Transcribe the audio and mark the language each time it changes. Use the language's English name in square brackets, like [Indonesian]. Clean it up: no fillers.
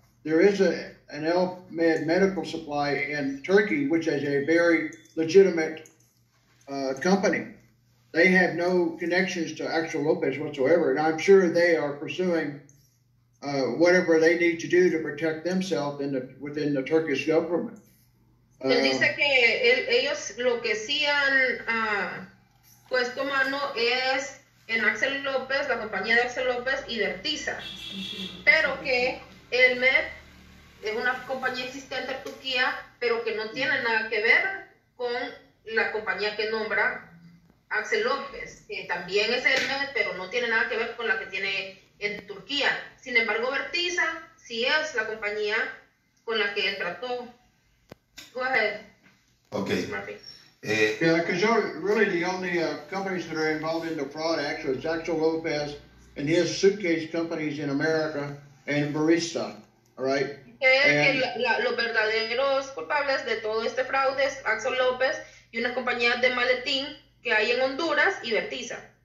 [English] There is an Elmed Medical Supply in Turkey, which is a very legitimate company. They have no connections to Axel Lopez whatsoever, and I'm sure they are pursuing whatever they need to do to protect themselves within the Turkish government. [Spanish] Él dice que ellos lo que sí han puesto mano es en Axel López, la compañía de Axel López y de Vertisa, pero que Elmed es una compañía existente en Turquía, pero que no tiene nada que ver con la compañía que nombra Axel López, que también es Elmed, pero no tiene nada que ver con la que tiene en Turquía. Sin embargo, Vertisa sí es la compañía con la que él trató. [English] Go ahead, Mr. Okay. Murphy. Yeah, because really the only companies that are involved in the fraud actually is Axel Lopez and his suitcase companies in America and Barista, all right? And [Spanish] Los verdaderos culpables de todo este fraude es Axel López y una compañía de maletín que hay en Honduras y Vertisa.